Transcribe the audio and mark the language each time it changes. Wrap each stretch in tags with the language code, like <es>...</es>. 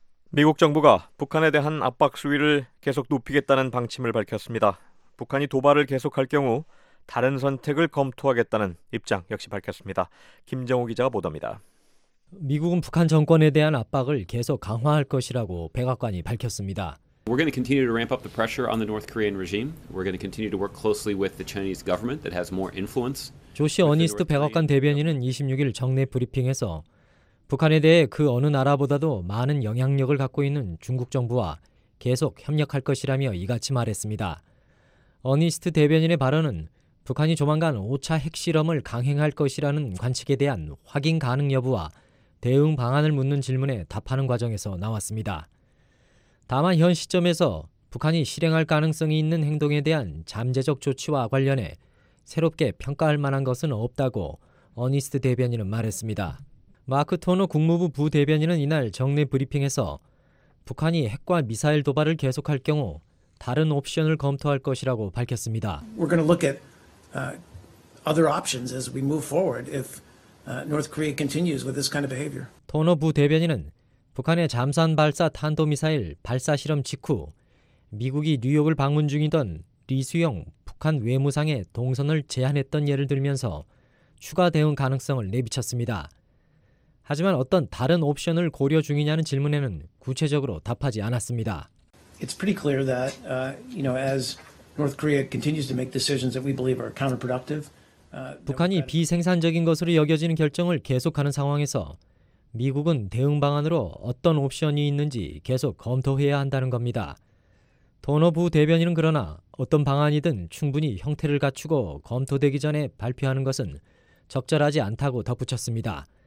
<ko>미국 정부가 북한에 대한 압박 수위를 계속 높이겠다는 방침을 밝혔습니다. 북한이 도발을 계속할 경우 다른 선택을 검토하겠다는 입장 역시 밝혔습니다. 김정우 기자가 보도합니다. 미국은 북한 정권에 대한 압박을 계속 강화할 것이라고 백악관이 밝혔습니다.</ko> <en>We're going to continue to ramp up the pressure on the North Korean regime. We're going to continue to work closely with the Chinese government that has more influence.</en> <ko>조시 어니스트 백악관 대변인은 26일 정례 브리핑에서 북한에 대해 그 어느 나라보다도 많은 영향력을 갖고 있는 중국 정부와 계속 협력할 것이라며 이같이 말했습니다. 어니스트 대변인의 발언은 북한이 조만간 5차 핵실험을 강행할 것이라는 관측에 대한 확인 가능 여부와 대응 방안을 묻는 질문에 답하는 과정에서 나왔습니다. 다만 현 시점에서 북한이 실행할 가능성이 있는 행동에 대한 잠재적 조치와 관련해 새롭게 평가할 만한 것은 없다고 어니스트 대변인은 말했습니다. 마크 토너 국무부 부대변인은 이날 정례 브리핑에서 북한이 핵과 미사일 도발을 계속할 경우 다른 옵션을 검토할 것이라고 밝혔습니다.</ko> <en>We're going to look at other options as we move forward if North Korea continues with this kind of behavior.</en> <ko>토너 부대변인은 북한의 잠수함 발사 탄도미사일 발사 실험 직후 미국이 뉴욕을 방문 중이던 리수영 북한 외무상의 동선을 제한했던 예를 들면서 추가 대응 가능성을 내비쳤습니다. 하지만 어떤 다른 옵션을 고려 중이냐는 질문에는 구체적으로 답하지 않았습니다.</ko> <en>It's pretty clear that you know as North Korea continues to make decisions that we believe are counterproductive.</en> <ko>북한이 비생산적인 것으로 여겨지는 결정을 계속하는 상황에서 미국은 대응 방안으로 어떤 옵션이 있는지 계속 검토해야 한다는 겁니다. 도노부 대변인은 그러나 어떤 방안이든 충분히 형태를 갖추고 검토되기 전에 발표하는 것은 적절하지 않다고 덧붙였습니다.</ko>